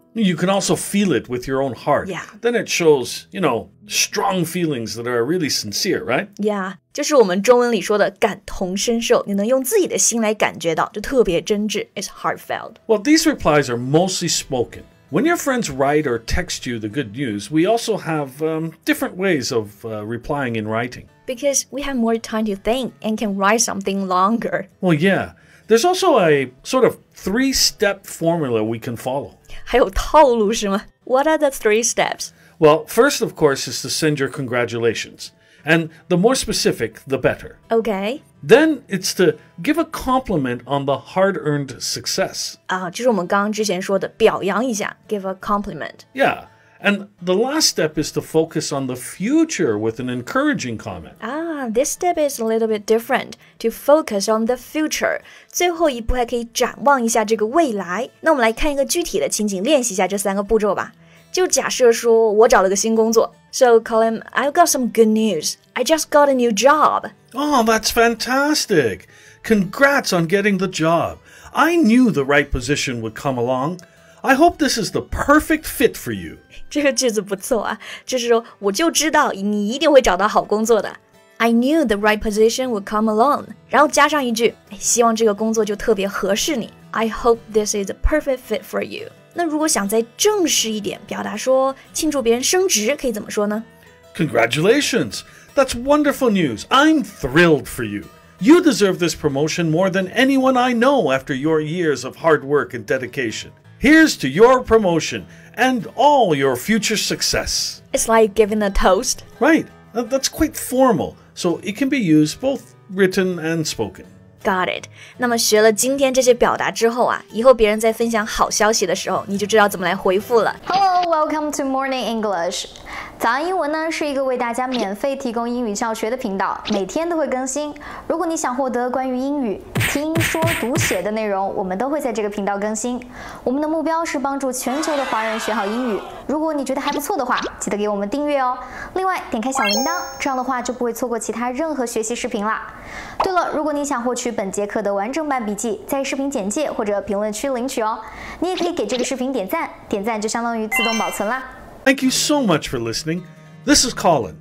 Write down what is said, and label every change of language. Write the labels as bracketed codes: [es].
[en] You can also feel it with your own heart. Yeah. Then it shows, you know, strong feelings that are really sincere, right? [zh] Yeah, 就是我们中文里说的感同身受，你能用自己的心来感觉到，就特别真挚。 [en] It's heartfelt. Well, these replies are mostly spoken. When your friends write or text you the good news, we also have different ways of replying in writing. Because we have more time to think and can write something longer. Well, yeah. There's also a sort of three-step formula we can follow. [zh] 还有套路是吗? [en] What are the three steps? Well, first, of course, is to send your congratulations. And the more specific, the better. Okay. Then it's to give a compliment on the hard-earned success. [zh] 就是我们刚刚之前说的表扬一下, [en] give a compliment. Yeah. And the last step is to focus on the future with an encouraging comment. This step is a little bit different, to focus on the future. [zh] 最后一步还可以展望一下这个未来。那我们来看一个具体的情景，练习一下这三个步骤吧。就假设说我找了个新工作。 [en] So, Colin, I've got some good news. I just got a new job. Oh, that's fantastic. Congrats on getting the job. I knew the right position would come along. I hope this is the perfect fit for you. [zh] 这个句子不错啊，就是说我就知道你一定会找到好工作的。 [en] I knew the right position would come along. [zh] 然后加上一句，希望这个工作就特别合适你。 [en] I hope this is a perfect fit for you. [zh] 那如果想再正式一点，表达说庆祝别人升职，可以怎么说呢？ [en] Congratulations! That's wonderful news. I'm thrilled for you. You deserve this promotion more than anyone I know after your years of hard work and dedication. Here's to your promotion and all your future success. It's like giving a toast. Right. That's quite formal, so it can be used both written and spoken. Got it. [zh] 那么学了今天这些表达之后啊，以后别人在分享好消息的时候，你就知道怎么来回复了。 [en] Hello, welcome to Morning English. [zh] 早安英文呢，是一个为大家免费提供英语教学的频道，每天都会更新。如果你想获得关于英语听说读写的内容，我们都会在这个频道更新。我们的目标是帮助全球的华人学好英语。如果你觉得还不错的话，记得给我们订阅哦。另外，点开小铃铛，这样的话就不会错过其他任何学习视频了。对了，如果你想获取本节课的完整版笔记，在视频简介或者评论区领取哦。你也可以给这个视频点赞，点赞就相当于自动保存啦。 [en] Thank you so much for listening. This is Colin.